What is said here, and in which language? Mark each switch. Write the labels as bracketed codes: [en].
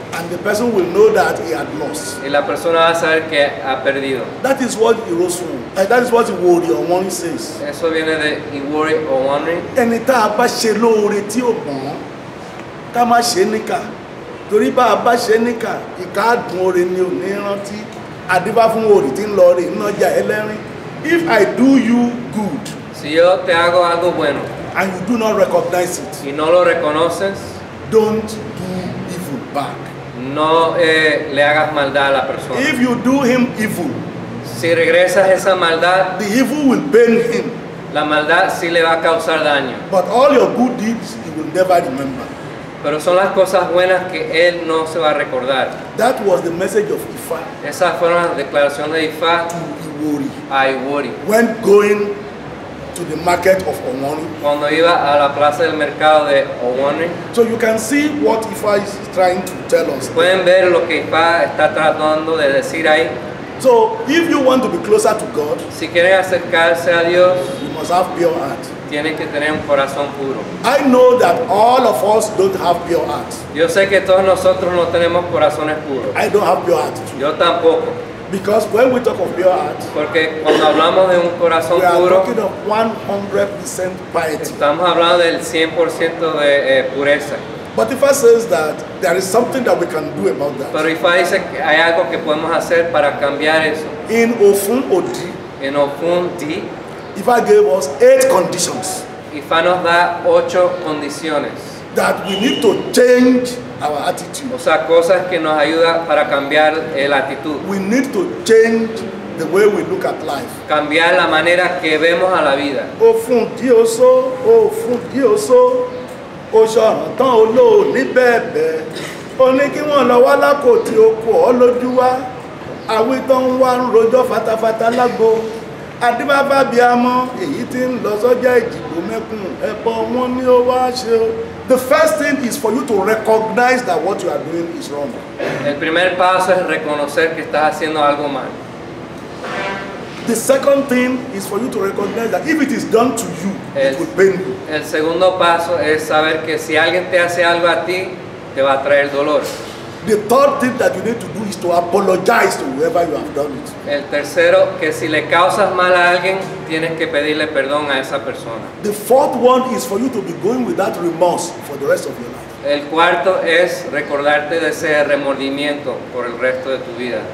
[en] and the person will know that he had lost, [es] y la persona va a saber que ha perdido. [en] That is what Irosu, that is what Iwori Omoni says. [es] Eso viene de Iwori Omoni. [yo] Enita apa shelo ureti obon ta ma se nika tori ba ba se nika ika dun ore ni oni ranti adiba fun ore tin lo re na ja elerin. [en] If I do you good, [es] si yo te hago algo bueno, [en] and you do not recognize it, [es] y no lo reconoces, [en] don't do evil back, [es] no le hagas maldad a la persona. [en] If you do him evil, [es] si regresas esa maldad, [en] the evil will burn him, [es] la maldad sí le va a causar daño. [en] But all your good deeds he will never remember, [es] pero son las cosas buenas que él no se va a recordar. [en] That was the message of Ifa. [es] Esa fue la declaración de Ifa [en] to Iwori. [es] A Iwori. [en] When going to the market of Omoni. [es] Cuando iba a la plaza del mercado de Omoni. [en] So you can see what Ifa is trying to tell us. [es] Pueden ver lo que Ifa está tratando de decir ahí. [en] So if you want to be closer to God, [es] si quieres acercarse a Dios, [en] you must have pure heart. [es] Tiene que tener un corazón puro. [en] I know that all of us don't have pure hearts. [es] Yo sé que todos nosotros no tenemos corazones puros. [en] I don't have pure hearts too. [es] Yo tampoco. [en] Because when we talk of pure hearts, [es] porque cuando hablamos de un corazón [en] we are [es] puro, [en] talking of 100% piety. [es] Estamos hablando del 100% de pureza. [en] But Ifa says that there is something that we can do about that. [es] Pero Ifa dice que hay algo que podemos hacer para cambiar eso. [en] In Ofun Odi. [es] En Ofun Odi. [en] Ifa gave us 8 conditions. [es] Ifa nos da 8 condiciones. [en] that we need to change our attitude. [es] O sea, cosas que nos ayuda para cambiar la actitud. [en] We need to change the way we look at life. [es] Cambiar la manera que vemos a la vida. [yo] Oh fun Dios oh, Oshan tan olo ni bebe. Oni ki won lo wa lakoti oko oloju wa. Awi ton wa rojo fatafata lagbo. Adibaba bi amo eyi tin lo soje ejigbo mekun epo won ni o wa se. [en] The first thing is for you to recognize that what you are doing is wrong. [es] El primer paso es reconocer que estás haciendo algo mal. [en] The second thing is for you to recognize that if it is done to you, it will pain you. [es] El segundo paso es saber que si alguien te hace algo a ti, te va a traer dolor. [en] The third thing that you need to do is to apologize to whoever you have done it. [es] El tercero, que si le causas mal a alguien, tienes que pedirle perdón a esa persona. [en] The fourth one is for you to be going without remorse for the rest of your life. [es] El cuarto es recordarte de ese remordimiento por el resto de tu vida.